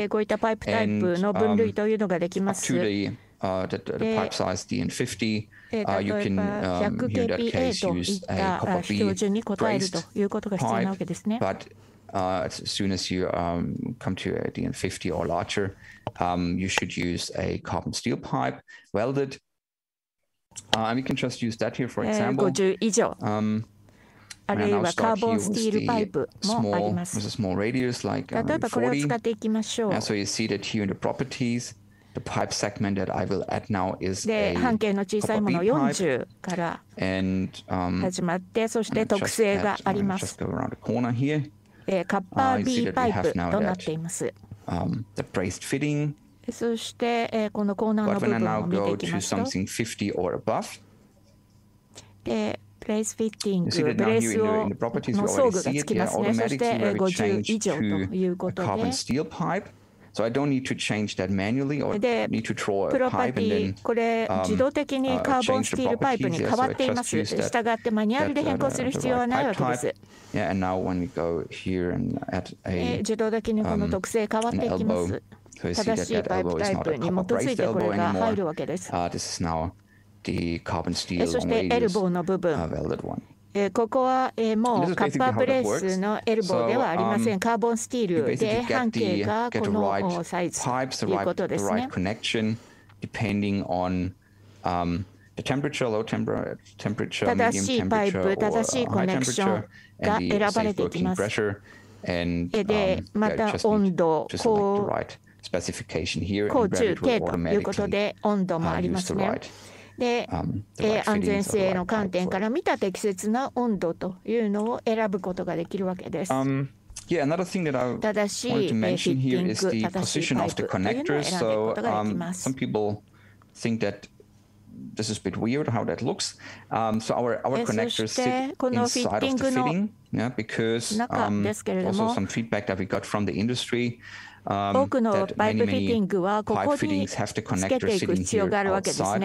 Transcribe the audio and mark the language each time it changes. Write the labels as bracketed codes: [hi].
[ja] こういったパイプタイプの分類というのができます。 [en] Up to the pipe size DN50. You can, in that case, use a copper B braced pipe, but as soon as you come to a DN50 or larger, you should use a carbon steel pipe, welded. And we can just use that here, for example. [ja] 50 以上。あるいはカーボンスティールパイプもあります。 [en] Small radius, like, [ja] 例えばこれを使っていきましょう。 [en] So you see that here in the properties,The pipe segment that I will add now is a [ja] 半径の小さいもの40から始まって、そして特性があります。 [en] Just go around the corner here. [ja] カッパー B パイプとなっています。 [en] The braced fitting. [ja] そしてこのコーナーの部分を見ていきますと、 [en] something 50 or above. [ja] で、プレースフィッティング、ブレースをの装具がつきますね。そして50以上ということで、 [en] carbon steel pipe. So I don't need to change that manually or need to draw a pipe and then [ja] これ自動的にカーボンスチールパイプに変わっています。したがってマニュアルで変更する必要はないわけです。 [en] Yeah, and now when we go here and add a [ja] 自動的にこの特性変わっていきます。正しいパイプタイプに基づいてこれが入るわけです。 [en] This is now the carbon steel [ja] そしてエルボーの部分。ここはもうカッパープレスのエルボーではありません。カーボンスチールで半径がこのサイズということですね。 [en] Depending on the temperature, low temperature, medium temperature, or high temperature, and the safe working pressure, and just the right specification here, and Revit will automatically use the right. [ja] 安全性の観点から見た適切な温度というのを選ぶことができるわけです。 [en] Yeah, another thing that I wanted to mention here is the position of the connectors. So, some people think that this is a bit weird how that looks. So our connectors sit inside of the fitting, yeah, because also some feedback that we got from the industry. [ja] 多くのパイプフィッティングはここにつけていく必要があるわけですね。